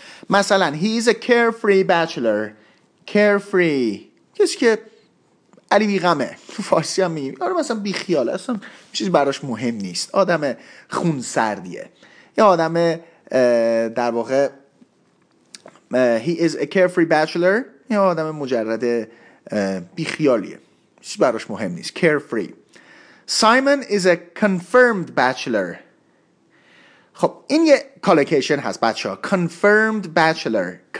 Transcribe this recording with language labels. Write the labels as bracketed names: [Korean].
[Persian] مثلا [English] he is a carefree bachelor. [Persian] carefree کسی که علی بیغمه، فارسی هم میگیم آره، مثلا بیخیاله، اصلا چیز براش مهم نیست، آدم خونسردیه، یا آدم در واقع [English] he is a carefree bachelor، [Persian] یا آدم مجرد بیخیالیه، چیز براش مهم نیست، carefree. [English] Simon is a confirmed bachelor. [Persian] خب این یه کالوکیشن هست بچه ها، confirmed bachelor.